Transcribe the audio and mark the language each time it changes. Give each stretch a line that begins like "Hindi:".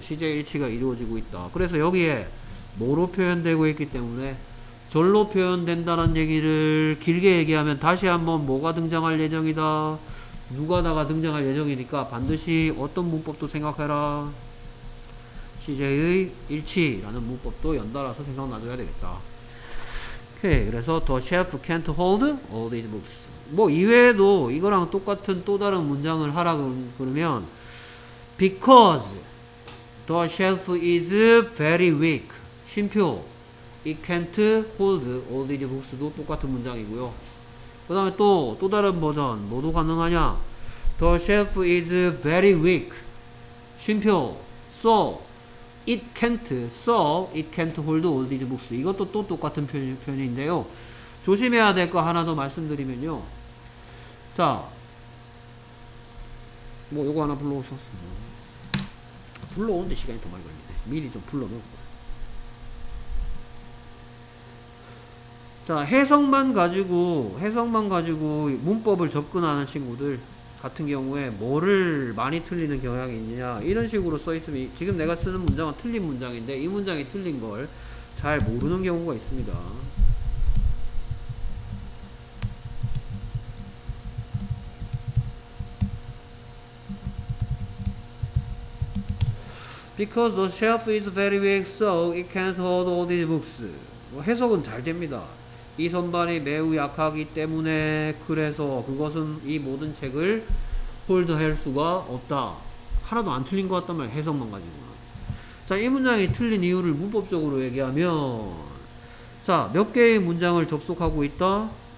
Korean: 시제 일치가 이루어지고 있다. 그래서 여기에 뭐로 표현되고 있기 때문에 절로 표현된다는 얘기를 길게 얘기하면 다시 한번 뭐가 등장할 예정이다? 누가다가 등장할 예정이니까 반드시 어떤 문법도 생각해라. CJ의 일치라는 문법도 연달아서 생각나줘야 되겠다. 오케이. 그래서
English: the shelf can't hold all these books.
Korean: 뭐 이외에도 이거랑 똑같은 또 다른 문장을 하라 그러면
English: because the shelf is very weak.
Korean: 쉼표.
English: It can't hold all these books도
Korean: 똑같은 문장이고요. 그 다음에 또 다른 버전 뭐도 가능하냐?
English: The shelf is very weak.
Korean: 쉼표.
English: So it can't, so it can't hold all these books.
Korean: 이것도 또 똑같은 표현인데요. 조심해야 될 거 하나 더 말씀드리면요. 자, 뭐 요거 하나 불러오셨어요. 불러오는데 시간이 더 많이 걸리네. 미리 좀 불러놓고. 자, 해석만 가지고 문법을 접근하는 친구들 같은 경우에 뭐를 많이 틀리는 경향이 있냐 이런 식으로 써있으면 지금 내가 쓰는 문장은 틀린 문장인데 이 문장이 틀린 걸 잘 모르는 경우가 있습니다.
English: 'Because the shelf is very weak, so it can't hold all these books.'
Korean: 해석은 잘 됩니다. 이 선반이 매우 약하기 때문에 그래서 그것은 이 모든 책을 홀드할 수가 없다. 하나도 안 틀린 것 같단 말이야. 해석만 가지고는. 자, 이 문장이 틀린 이유를 문법적으로 얘기하면 자, 몇 개의 문장을 접속하고 있다?